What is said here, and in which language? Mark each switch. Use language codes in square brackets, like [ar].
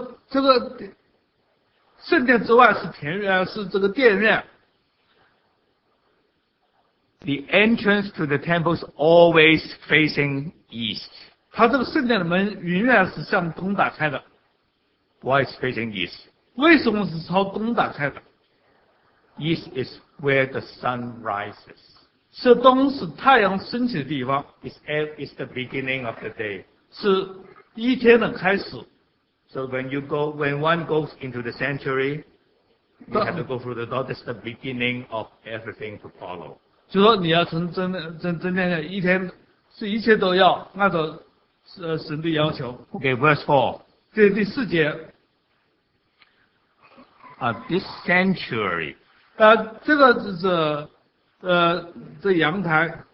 [zh] 这个圣殿之外是田园，是这个殿院。 [en] The entrance to the temple is always facing east. [zh] 它这个圣殿的门永远是向东打开的。 [en] Why is facing east? [zh] 为什么是朝东打开的？ [en] East is where the sun rises. [zh] 是东是太阳升起的地方。 [en] It's the beginning of the day. [zh] 是一天的开始。 [en] So when one goes into the sanctuary, you have to go through the door. That's the beginning of everything to follow. [zh] 就是说你要从真正的一天是一切都要按照神的要求。 [en] Okay, verse 4. [zh] 这是第四节。 [en] This sanctuary. [zh] 这个就是这阳台。